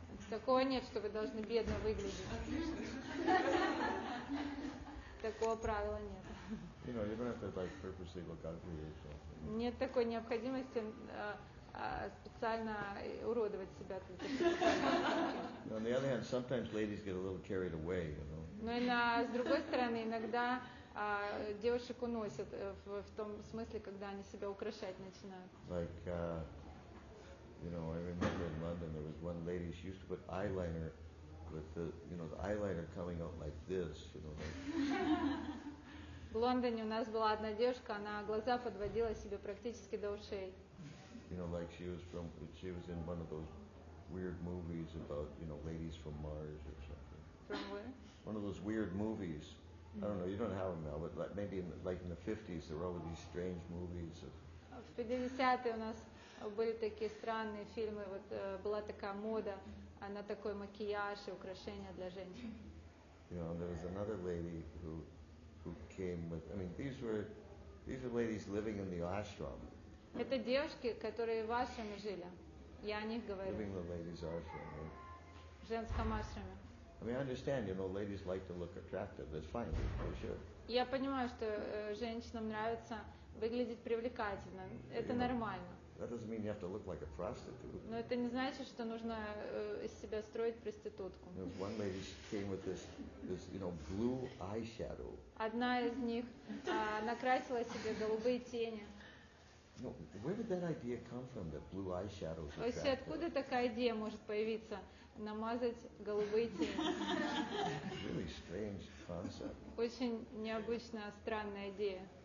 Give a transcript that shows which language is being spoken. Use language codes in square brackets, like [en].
[ru] Такого нет, что вы должны бедно выглядеть. Такого правила нет. [en] You know, you don't have to like purposely look ugly. [ru] Нет такой необходимости специально уродовать себя. [en] On the other hand, sometimes ladies get a little carried away, you know. [ru] Но и с другой стороны, иногда девушек уносят в том смысле, когда они себя украшать начинают. [en] Like, you know, I remember in London there was one lady. She used to put eyeliner with the eyeliner coming out like this, you know. Like. [ru] В Лондоне у нас была одна девушка, она глаза подводила себе практически до ушей. [en] You know, like she was in one of those weird movies about, you know, ladies from Mars or something. From where? One of those weird movies. Mm-hmm. I don't know, you don't have them now, but like maybe in the 50s there were all these strange movies of. [ru] В 50-е у нас были такие странные фильмы, вот была такая мода на такой макияж и украшения для женщин. [en] You know, there was another lady who came with, I mean, these are ladies living in the ashram. [ru] Это девушки, которые в ашраме жили. Я о них говорю. [en] Living in the ladies' ashram, right? [ru] В женском ашраме. [en] I mean, I understand, you know, ladies like to look attractive. That's fine, they should. [ru] Я понимаю, что женщинам нравится выглядеть привлекательно. Это нормально. [en] That doesn't mean you have to look like a prostitute. [ru] Но это не значит, что нужно из себя строить проститутку. [en] One lady came with this, you know, blue eyeshadow. [ru] Одна из них накрасила себе голубые тени. [en] No, where did that idea come from? That blue eyeshadow. [ru] То есть откуда такая идея может появиться? Намазать голубые тени. [en] Really strange concept. [ru] Очень необычная, странная идея.